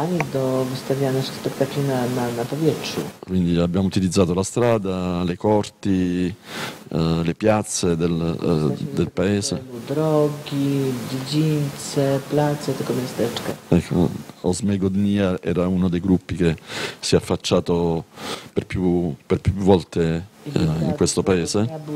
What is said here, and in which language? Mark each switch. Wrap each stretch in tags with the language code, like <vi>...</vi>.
<pl>Do wystawiania spektakli na powietrzu.</pl> <it>Quindi abbiamo utilizzato la strada, le corti, le piazze del paese.</it> <pl>Drogi, dziedzińce, place, tego miasteczka.</pl> <it>Ecco, Osmegodnia era uno dei gruppi che si è affacciato per più volte in questo paese.</it>